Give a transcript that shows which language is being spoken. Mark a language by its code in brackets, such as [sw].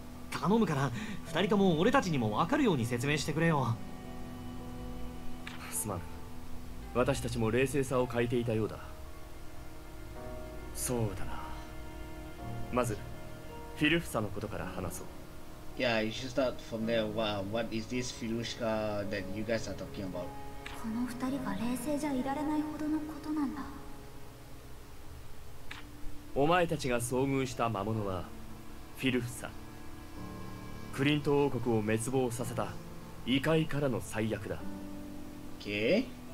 [ja] 頼むから二人とも俺たちにも分かるように説明してくれよ。すまん、私たちも冷静さを欠いていたようだ。そうだな、まずフィルフサのことから話そう。 [en] Yeah, you should start from there. Wow, what is this Filushka that you guys are talking about? [ja] この二人が冷静じゃいられないほどのことなんだ。お前たちが遭遇した魔物はフィルフサ、クリント王国を滅亡させた異界からの最悪だ。 [en] OK？